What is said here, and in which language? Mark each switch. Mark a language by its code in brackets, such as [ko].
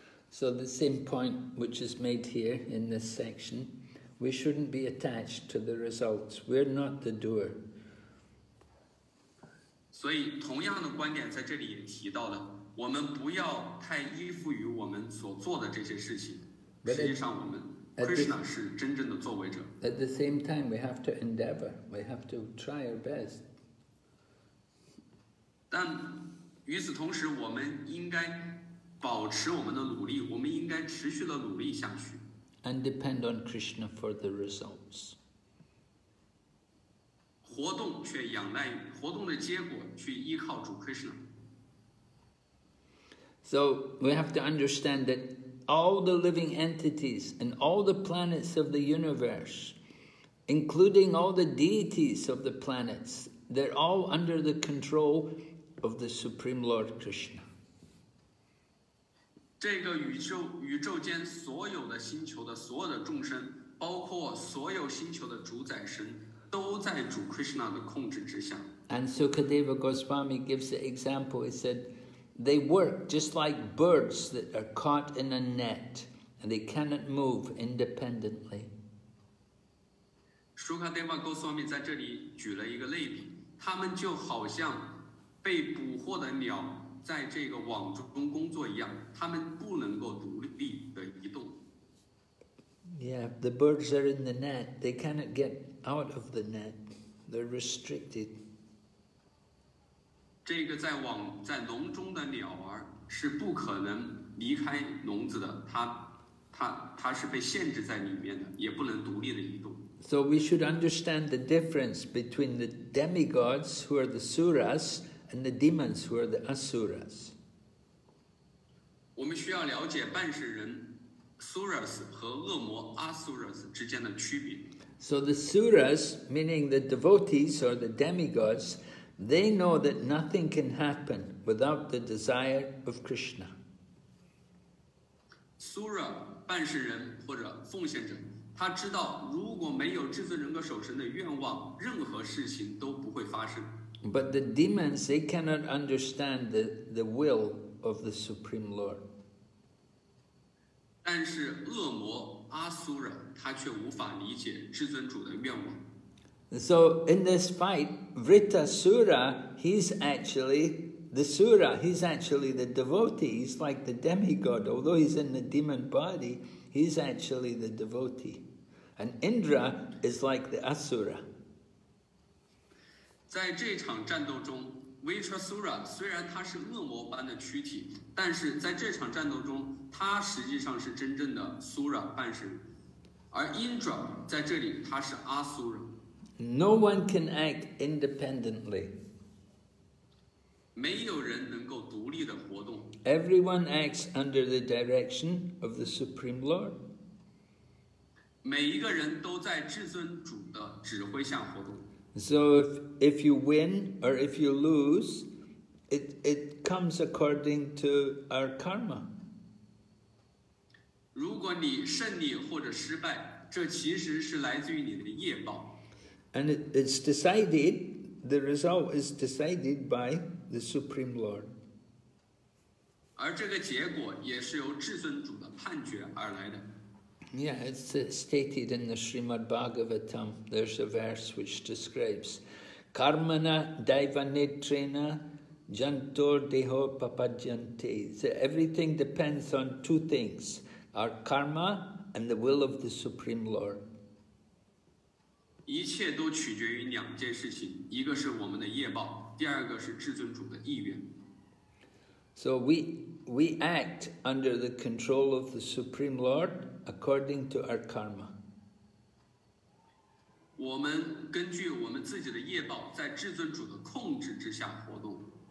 [en] So the same point which is made here in this section, we shouldn't be attached to the results. We're not the doer. [zh] 所以同样的观点在这里也提到了，我们不要太依附于我们所做的这些事情，实际上我们 Krishna 是真正的作为者。 [en] At the same time, we have to endeavor, we have to try our best. [zh] 但与此同时，我们应该保持我们的努力，我们应该持续的努力下去。 [en] And depend on Krishna for the results. [zh] 活动的结果去依靠主 Krishna. [en] So we have to understand that all the living entities and all the planets of the universe including all the deities of the planets. They're all under the control of the Supreme Lord Krishna. [zh] 这个宇宙间所有的星球的所有的众生，包括所有星球的主宰神，都在主 Krishna 的控制之下。 [en] And Sukadeva Goswami gives the example. He said, they work just like birds that are caught in a net, and they cannot move independently. [zh] Sukadeva Goswami 在这里举了一个例子，他们就好像被捕获的鸟在这个网中工作一样，他们不能够独立的移动。 [en] Yeah, the birds are in the net. They cannot get out of the net. They're restricted. [zh] 这个在笼中的鸟儿是不可能离开笼子的，它是被限制在里面的，也不能独立的移动。 [en] So we should understand the difference between the demigods who are the suras and the demons who are the asuras. [zh] 我们需要了解半神人 suras 和恶魔 asuras 之间的区别。 [en] So the suras, meaning the devotees or the demigods. They know that nothing can happen without the desire of Krishna. [zh] Sura, 半世人或者奉献者，他知道如果没有至尊人格守神的愿望，任何事情都不会发生。 [en] But the demons, they cannot understand the will of the Supreme Lord. [zh] 但是恶魔阿苏拉，他却无法理解至尊主的愿望。 [en] So in this fight, Vritasura, he's actually the Sura, he's actually the devotee, he's like the demigod, although he's in the demon body, he's actually the devotee. And Indra is like the Asura. [zh] 在这场战斗中 ,Vritasura 虽然他是恶魔般的躯体，但是在这场战斗中他实际上是真正的 Sura 半神，而 Indra 在这里他是 Asura。 [en] No one can act independently. [zh] 没有人能够独立的活动。 [en] Everyone acts under the direction of the Supreme Lord. [zh] 每一个人都在至尊主的指挥下活动。 [en] So if you win or if you lose, it comes according to our karma. [zh] 如果你胜利或者失败，这其实是来自于你的业报。 [en] And it's decided, the result is decided by the Supreme Lord. [zh] 而这个结果也是由至尊主的判决而来的。 [en] Yeah, it's stated in the Srimad Bhagavatam. There's a verse which describes [sa] Karmana Daivanetrena Jantor Deho Papajyante. [en] So everything depends on two things, our karma and the will of the Supreme Lord. [zh] 一切都取决于两件事情，一个是我们的业报，第二个是至尊主的意愿。 [en] So we act under the control of the Supreme Lord according to our karma. [zh] 我们根据我们自己的业报，在至尊主的控制之下活动。